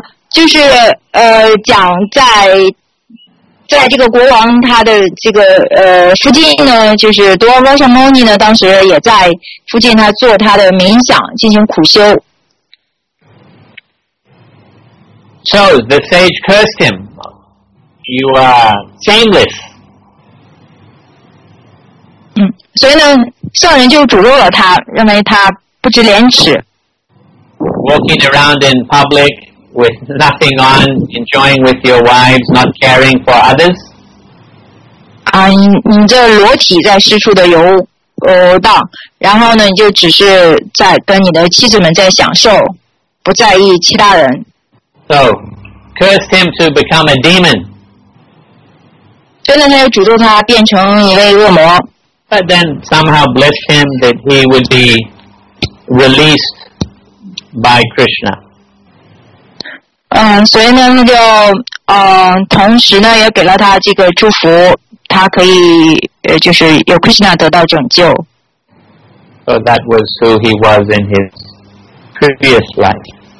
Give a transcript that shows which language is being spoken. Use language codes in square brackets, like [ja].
[zh] 就是讲在这个国王他的这个附近呢，就是 Durvasa Muni 呢，当时也在附近他做他的冥想，进行苦修。 [en] So the sage cursed him. You are shameless. [zh] 所以呢圣人就诅咒了他认为他不知廉耻 [en] Walking around in public with nothing on enjoying with your wives not caring for others [zh] 你这裸体在四处的游荡然后呢你就只是在跟你的妻子们在享受不在意其他人 [en] So cursed him to become a demon [zh] 所以呢他就诅咒他变成一位恶魔 [en] But then somehow blessed him that he would be released by Krishna. [zh] 所以呢，那就同时呢，也给了他这个祝福，他可以就是由 Krishna 得到拯救。 [en] So that was who he was in his previous life.